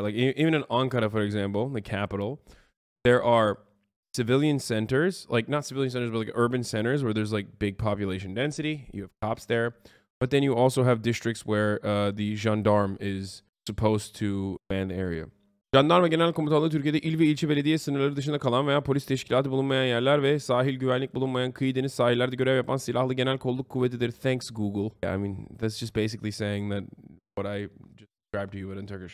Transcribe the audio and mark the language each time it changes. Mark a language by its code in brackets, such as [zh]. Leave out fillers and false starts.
[en] Like even in Ankara, for example, the capital, there are civilian centers, like not civilian centers, but like urban centers where there's like big population density. You have cops there. But then you also have districts where the gendarme is supposed to man the area. [tr] Jandarma Genel Komutanlığı Türkiye'de il ve ilçe belediye sınırları dışında kalan veya polis teşkilatı bulunmayan yerler ve sahil güvenlik bulunmayan kıyı deniz sahillerde görev yapan silahlı genel kolluk kuvvetidir. [en] Thanks Google. Yeah, I mean, that's just basically saying that what I just described to you, but in Turkish.